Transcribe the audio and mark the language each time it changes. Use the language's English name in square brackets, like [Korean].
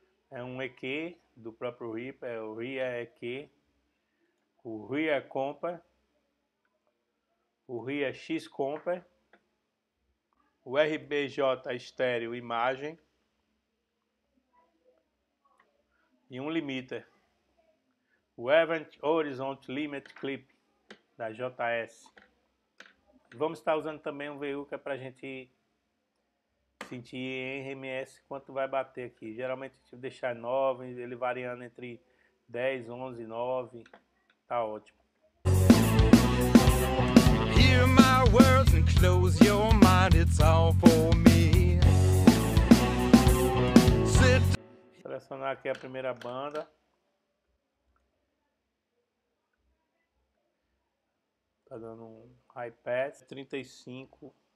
[Portuguese] É um EQ do próprio Reaper, é o Reaper EQ, o Reaper Comper, o Reaper X Comper, o RBJ Estéreo Imagem e um limiter, o Event Horizon Limit Clip da JS. Vamos estar usando também um VU que é para a gente sentir em RMS quanto vai bater aqui. Geralmente a gente deixar 9, ele variando entre 10, 11, 9, tá ótimo. [English] Hear my words and close your mind, it's all for me. [Portuguese] Selecionar aqui a primeira banda. Tá dando um high pass 35.